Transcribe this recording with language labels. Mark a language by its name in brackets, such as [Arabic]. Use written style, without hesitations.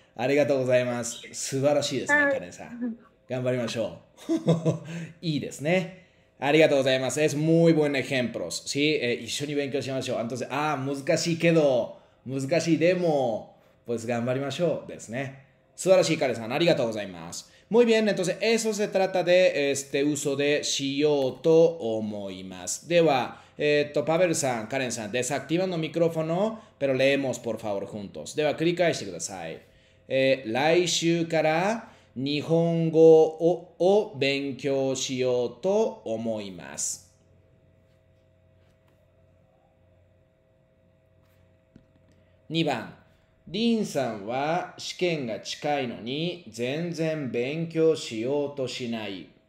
[Japanese] ありがとうございます。素晴らしいですね、カレンさん。頑張りましょう。いいですね。ありがとうございます。 [Spanish] Es muy buen ejemplos. [Japanese] Sí, 一緒に勉強しましょう。Entonces, 難しいけど、難しいでも、pues 頑張りましょうですね。素晴らしい、カレさん。ありがとうございます。 [Spanish] Muy bien, entonces, eso se trata de uso de [Japanese] しようと思います。 [Spanish] では、パベルさん、カレンさん、desactivando micrófono, pero leemos, por favor, juntos. [Japanese] では、繰り返してください。来週から、日本語を勉強しようと思います。 2番、リンさんは試験が近いのに全然勉強しようとしない。